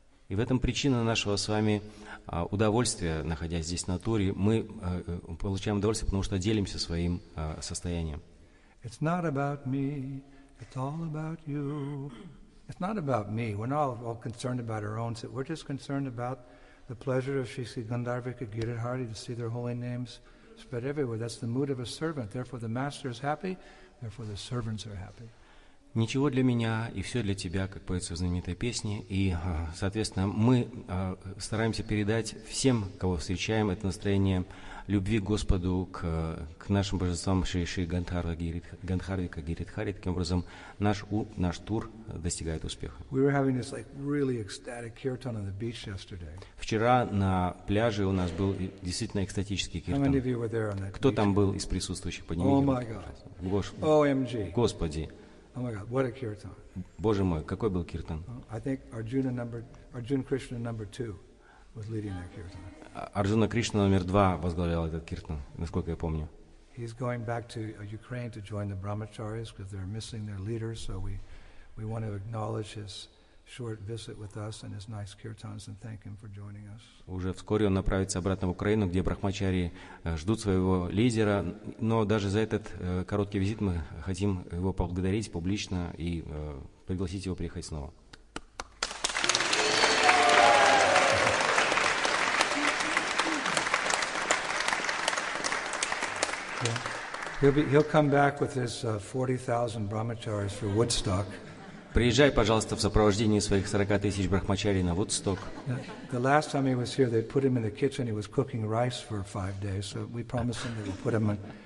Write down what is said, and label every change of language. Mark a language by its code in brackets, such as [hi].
[ru] И в этом причина нашего с вами удовольствия, находясь здесь на туре. Мы получаем удовольствие, потому что делимся своим состоянием. [en] It's not about me, it's all about you. It's not about me. We're not all concerned about our own. We're just concerned about the pleasure of Shri Gandharvika Giridhari to see their holy names. But everywhere, that's the mood of a servant. Therefore, the master is happy. Therefore, the servants are happy. [ru] Ничего для меня и все для тебя, как поется в знаменитой песне. И, соответственно, мы стараемся передать всем, кого встречаем, это настроение любви к Господу, к нашим божествам Шри Гандхарвика Гиридхари. Таким образом, наш тур достигает успеха. [en] We were having this like really ecstatic kirtan on the beach yesterday. [ru] Вчера на пляже у нас был действительно экстатический киртан. [en] How many of you were there on that? [ru] Кто [en] beach? [ru] Там был из присутствующих? Поднимите. [en] Oh my God. OMG. [ru] Господи. [en] Oh my God, what a kirtan. [ru] Боже мой, какой был киртан? [en] I think Arjuna Krishna number 2 was leading that kirtan. [ru] Арджуна Кришна номер 2 возглавлял этот киртан, насколько я помню. [en] He's going back to Ukraine to join the Brahmacharis because they're missing their leader, so we want to acknowledge his short visit with us and his nice kirtans and thank him for joining us. [ru] Уже вскоре он направится обратно в Украину, где брахмачари ждут своего лидера, но даже за этот короткий визит мы хотим его поблагодарить публично и пригласить его приехать снова. [en] He'll come back with his 40,000 brahmacharis for Woodstock. [ru] Приезжай, пожалуйста, в сопровождении своих 40,000 брахмачарий на Вудсток. [en] The last time he was here, they put him in the kitchen. He was cooking rice for 5 days. So we promised him that we'll put him